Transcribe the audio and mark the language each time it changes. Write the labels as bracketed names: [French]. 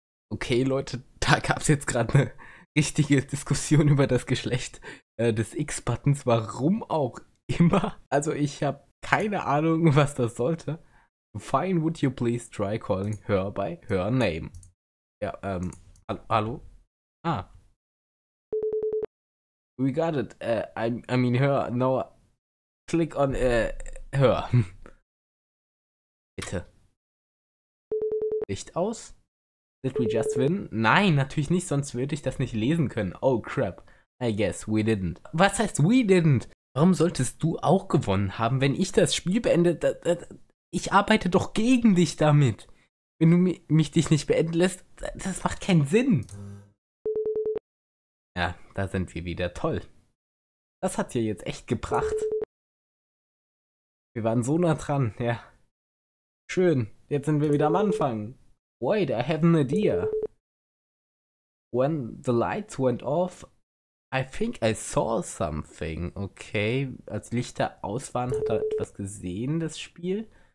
[German] Okay, Leute, da gab es jetzt gerade eine richtige Diskussion über das Geschlecht des X-Buttons. Warum auch immer. Also ich habe keine Ahnung, was das sollte. [English] Fine, would you please try calling her by her name? [German] Ja, hallo? Ah. [English] We got it, I mean her, no, click on, her. [German] Bitte. Licht aus. [English] Did we just win? [German] Nein, natürlich nicht, sonst würde ich das nicht lesen können. [English] Oh crap, I guess we didn't. [German] Was heißt [English] we didn't? [German] Warum solltest du auch gewonnen haben, wenn ich das Spiel beende? Ich arbeite doch gegen dich damit. Wenn du mich dich nicht beenden lässt, das macht keinen Sinn. Ja, da sind wir wieder. Toll. Das hat ja jetzt echt gebracht. Wir waren so nah dran, ja. Schön, jetzt sind wir wieder am Anfang. [English] Wait, I have an idea. When the lights went off, I think I saw something. [German] Okay, als Lichter aus waren, hat er etwas gesehen, das Spiel.